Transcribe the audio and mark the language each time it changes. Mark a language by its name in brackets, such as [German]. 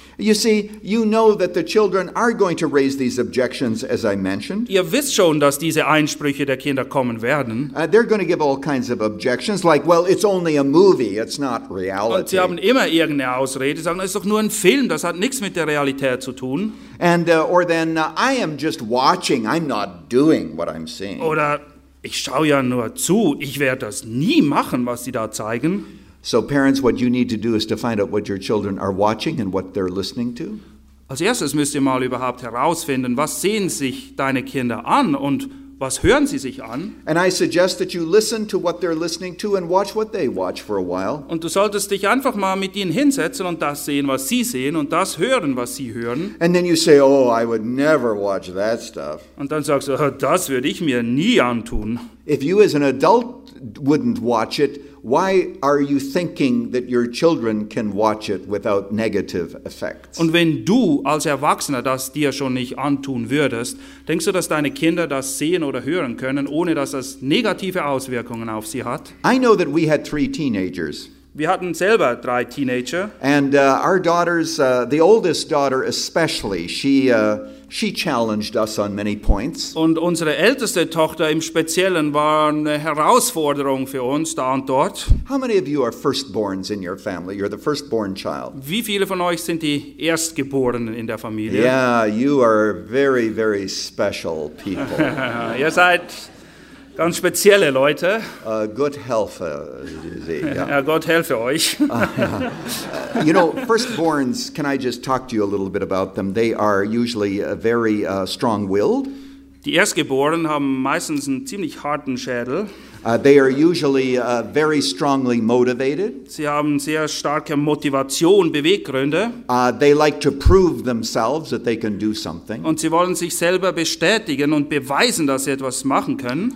[English] You see, you know that the children are going to raise these objections, as I mentioned. [German] Ihr wisst schon, dass diese Einsprüche der Kinder kommen werden. [English] They're going to give all kinds of objections, like, well, it's only a movie, it's not reality. [German] Und sie haben immer irgendeine Ausrede, sagen, es ist doch nur ein Film, das hat nichts mit der Realität zu tun. [English] Or then, I am just watching, I'm not doing what I'm seeing. [German] Oder, ich schaue ja nur zu, ich werde das nie machen, was sie da zeigen. [English] So parents, what you need to do is to find out what your children are watching and what they're listening to. [German] Als erstes müsst ihr mal überhaupt herausfinden, was sehen sich deine Kinder an und was hören sie sich an. [English] And I suggest that you listen to what they're listening to and watch what they watch for a while. [German] Und du solltest dich einfach mal mit ihnen hinsetzen und das sehen, was sie sehen und das hören, was sie hören. [English] And then you say, oh, I would never watch that stuff. [German] Und dann sagst du, das würde ich mir nie antun. [English] If you as an adult wouldn't watch it, why are you thinking that your children can watch it without negative effects? [German] Und wenn du als Erwachsener das dir schon nicht antun würdest, denkst du, dass deine Kinder das sehen oder hören können, ohne dass das negative Auswirkungen auf sie hat? [English] I know that we had three teenagers. [German] Wir hatten selber drei Teenager. [English] And our daughters, the oldest daughter especially, she challenged us on many points. [German] Und unsere älteste Tochter im Speziellen war eine Herausforderung für uns da und dort. [English] How many of you are firstborns in your family? You're the firstborn child. [German] Wie viele von euch sind die Erstgeborenen in der Familie? [English] Yeah, you are very, very special people. [German] Ihr seid ganz spezielle Leute. Gott helfe sie. Ja, Gott helfe euch. [English] You know, firstborns, can I just talk to you a little bit about them? They are usually very strong-willed. [German] Die Erstgeborenen haben meistens einen ziemlich harten Schädel. [English] They are usually very strongly motivated. [German] Sie haben sehr starke Motivation, Beweggründe. [English] They like to prove themselves that they can do something. [German] Und sie wollen sich selber bestätigen und beweisen, dass sie etwas machen können.